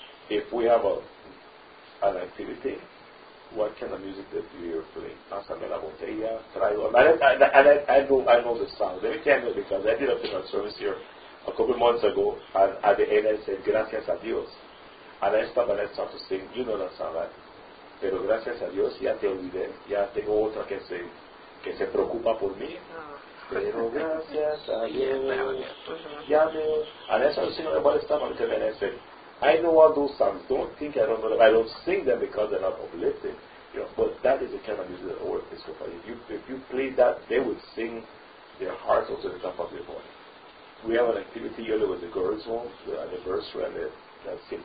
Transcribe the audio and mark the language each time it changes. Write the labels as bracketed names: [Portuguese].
[English] If we have an activity, what kind of music that you're playing? [Spanish] Pásame la botella, traigo. [English] I know the song. Let me tell you, because I did a funeral service here a couple months ago, and at the end I said, [Spanish] gracias a Dios. [English] And I stopped and I started to sing, you know that song, right? [Spanish] Pero gracias a Dios, ya te olvidé, ya tengo otra que se preocupa por mí. Pero gracias a Dios, ya me olvidé. [English] And I started singing about the song, and then I said, I know all those songs. Don't think I don't know them. I don't sing them because they're not uplifting. You know, but that is the kind of music that our Episcopal is. If you play that, they will sing their hearts out to the top of their voice. We have an activity yearly with the girls' home, the anniversary, and the St.